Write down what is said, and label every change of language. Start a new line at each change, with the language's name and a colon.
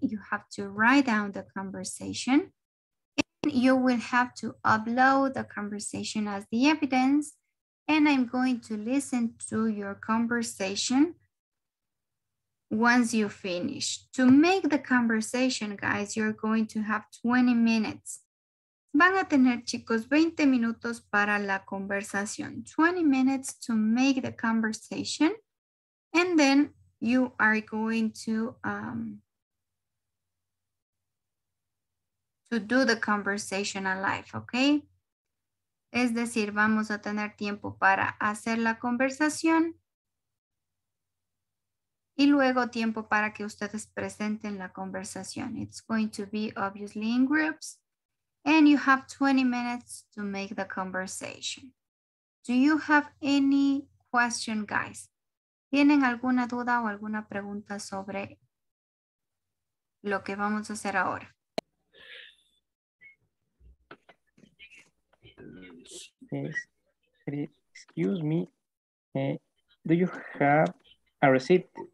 English: You have to write down the conversation. And you will have to upload the conversation as the evidence. And I'm going to listen to your conversation once you finish. To make the conversation, guys, you're going to have 20 minutes.
Spanish: Van a tener, chicos, 20 minutos para la conversación.
English: 20 minutes to make the conversation. And then you are going to do the conversation alive, okay?
Spanish: Es decir, vamos a tener tiempo para hacer la conversación y luego tiempo para que ustedes presenten la conversación.
English: It's going to be obviously in groups and you have 20 minutes to make the conversation. Do you have any question, guys?
Spanish: ¿Tienen alguna duda o alguna pregunta sobre lo que vamos a hacer ahora?
English: Excuse me, do you have a receipt?